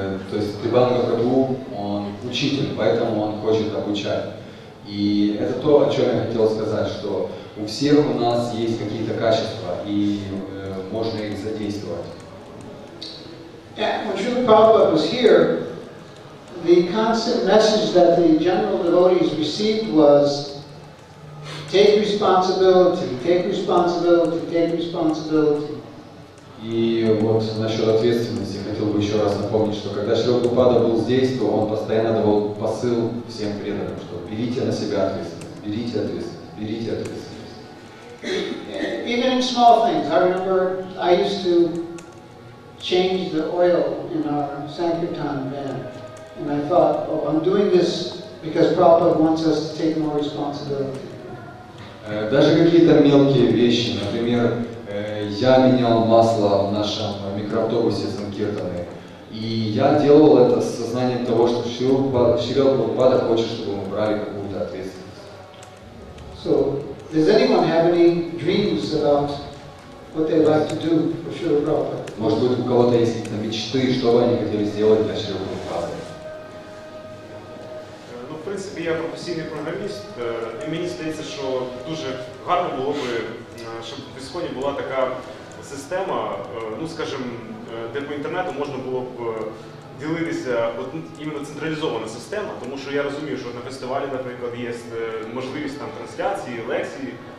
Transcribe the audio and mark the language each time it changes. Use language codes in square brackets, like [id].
[ru] то есть Тибанга Прабху, он учитель, поэтому он хочет обучать. И это то, о чем я хотел сказать, что у всех у нас есть какие-то качества, и можно их задействовать. [en] Yeah, when Srila Prabhupada was here, the constant message that the general devotees received was take responsibility, take responsibility, take responsibility. [ru] И вот насчет ответственности, хотел бы еще раз напомнить, что когда Шрила Прабхупада был здесь, то он постоянно давал посыл всем преданным, что берите на себя ответственность, берите ответственность, берите ответственность. [en] Even in small things, I remember I used to change the oil in our Sankirtan van, and I thought, oh, I'm doing this because Prabhupada wants us to take more responsibility. [ru] Даже какие-то мелкие вещи, например, я менял масло в нашем микроавтобусе Санкиртаны. И я делал это с сознанием того, что Шрила Прабхупада хочет, чтобы мы брали какую-то ответственность. [en] So, does anyone have any dreams about what they'd like to do for Srila Prabhupada? [ru] Может быть, у кого-то есть мечты, что бы они хотели сделать для Шрила Прабхупады? Ну, в принципе, я профессиональный программист. И мне кажется, что [uk] дуже гарно [ru] было бы, чтобы в ИСКОНе была такая система, ну скажем, где по интернету можно было бы делиться от, именно централизованная система, потому что я разумею, что на фестивале, например, есть возможность там трансляции, лекции.